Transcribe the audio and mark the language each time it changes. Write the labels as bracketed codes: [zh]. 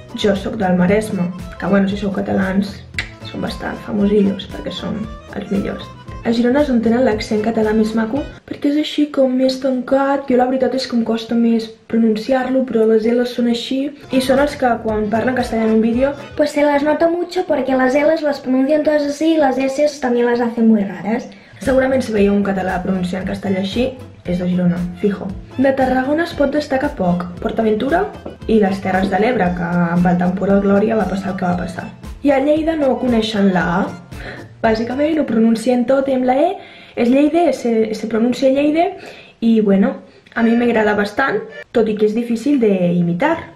[ca] Jo sóc del Maresme, que bueno, si sou catalans, són bastant famosillos perquè són els millors. A Girona és on tenen l'accent català més maco, perquè és així com més tancat, jo la veritat és que em costa més pronunciar-lo, però les L's són així, i són els que quan parlen castellà en un vídeo... [es] Pues se les nota mucho porque las L's las pronuncian todas así y las S's también las hacen muy raras. [ca] Segurament si veieu un català pronunciant castellà així, és de Girona, fijo. De Tarragona es pot destacar poc, PortAventura i les Terres de l'Ebre, que amb el temporal Glòria va passar el que va passar. I a Lleida no coneixen la A. Bàsicament ho pronuncien tot amb la E, és Lleida, se pronuncia Lleida, i bueno, a mi m'agrada bastant, tot i que és difícil d'imitar.